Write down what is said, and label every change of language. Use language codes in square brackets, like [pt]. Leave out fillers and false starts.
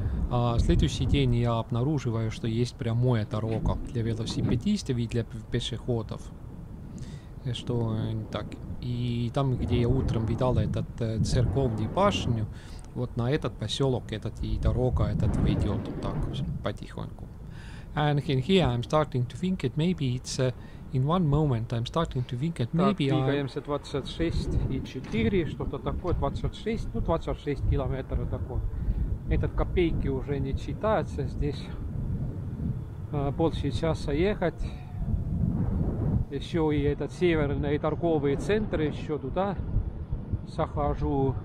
[ru] А следующий день я обнаруживаю, что есть прямая дорога для велосипедистов и для пешеходов. Что так. И там, где я утром видал этот церковную башню, вот на этот поселок этот и дорога этот ведет так потихоньку. [en] And in here I'm starting to think that maybe it's in one moment I'm starting to think that maybe [ru] так, двигаемся 26.4, что-то такое, 26, ну 26 километров такое. Этот копейки уже не читается здесь. Полчаса ехать. Еще и этот северный торговый центр еще туда захожу.